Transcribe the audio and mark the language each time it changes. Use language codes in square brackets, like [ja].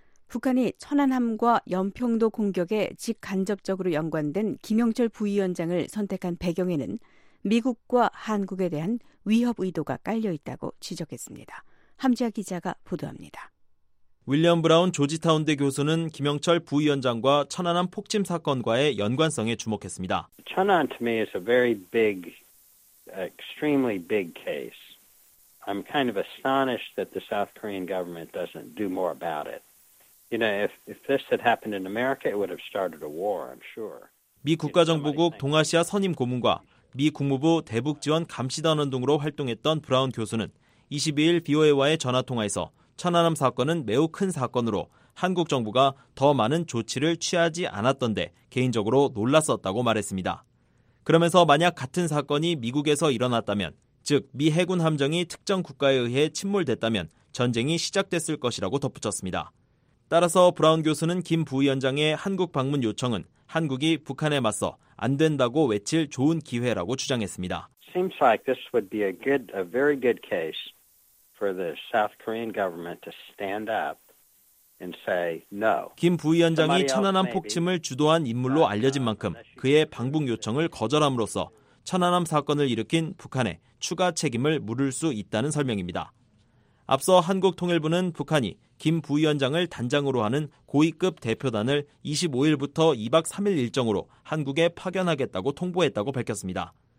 [ko] 북한이 천안함과 연평도 공격에 직간접적으로 연관된 김영철 부위원장을 선택한 배경에는 미국과 한국에 대한 위협 의도가 깔려있다고 지적했습니다. 함지아 기자가 보도합니다. 윌리엄 브라운 조지타운대 교수는 김영철 부위원장과 천안함 폭침 사건과의 연관성에 주목했습니다. [en] 천안 to me is a very big, extremely big case. I'm kind of astonished that the South Korean government doesn't do more about it. You know, if this had happened in America, it would have started a war, I'm sure. [ko] 미 국가정보국 동아시아 선임 고문과 미 국무부 대북 지원 감시단원 등으로 활동했던 브라운 교수는 22일 BOA와의 전화 통화에서 천안함 사건은 매우 큰 사건으로 한국 정부가 더 많은 조치를 취하지 않았던데 개인적으로 놀랐었다고 말했습니다. 그러면서 만약 같은 사건이 미국에서 일어났다면, 즉 미 해군 함정이 특정 국가에 의해 침몰됐다면 전쟁이 시작됐을 것이라고 덧붙였습니다. 따라서 브라운 교수는 김 부위원장의 한국 방문 요청은 한국이 북한에 맞서 안 된다고 외칠 좋은 기회라고 주장했습니다. [en] Seems like this would be a very good case. For the South Korean government to stand up and say no. [ko] 김 부위원장이 천안함 폭침을 주도한 인물로 알려진 만큼 그의 방북 요청을 거절함으로써 천안함 사건을 일으킨 북한에 추가 책임을 물을 수 있다는 설명입니다. 앞서 한국 통일부는 북한이 김 부위원장을 단장으로 하는 고위급 대표단을 25일부터 2박 3일 일정으로 한국에 파견하겠다고 통보했다고 밝혔습니다.